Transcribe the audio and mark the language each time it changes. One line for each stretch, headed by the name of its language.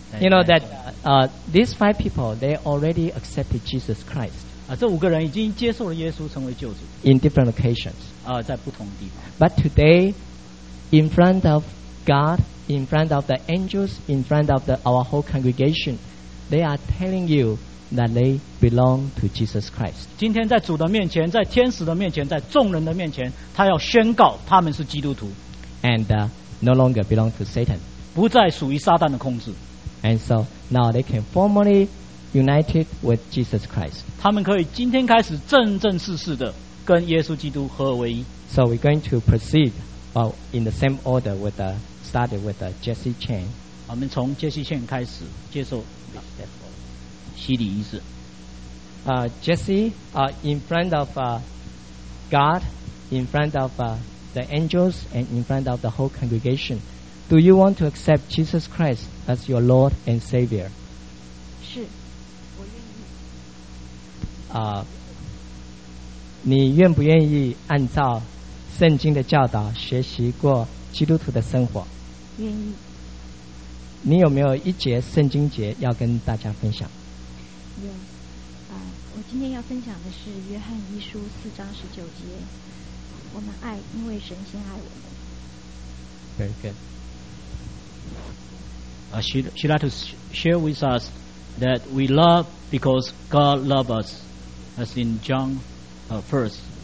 English: You know that these five people they already accepted Jesus Christ.
Chinese: 这五个人已经接受了耶稣成为救主
English: in different locations.
Chinese: 在不同地方
English: But today, in front of God. In front of the angels, in front of our whole congregation, they are telling you that they belong to Jesus Christ.
Chinese: 今天在主的面前，在天使的面前，在众人的面前，他要宣告他们是基督徒。
English: And no longer belong to Satan.
Chinese: 不再属于撒旦的控制。
English: And so now they can formally united with Jesus Christ.
Chinese: 他们可以今天开始正正式式的跟耶稣基督合而为一。
English: So we're going to proceed in the same order with the. Started with Jesse Chan.
Chinese: 我们从 Jesse Chan 开始接受洗礼仪式。
English: Jesse, in front of God, in front of the angels, and in front of the whole congregation, do you want to accept Jesus Christ as your Lord and Savior?
Chinese: 是，我愿意。你愿不愿意按照圣经的教导学习过基督徒的生活？愿意。你有没有一节圣经节要跟大家分享？有，我今天要分享的是约翰一书四章十九节，我们爱，因为神先爱我们。
English: Very good. She like to share with us that we love because God loves us, as in John, first.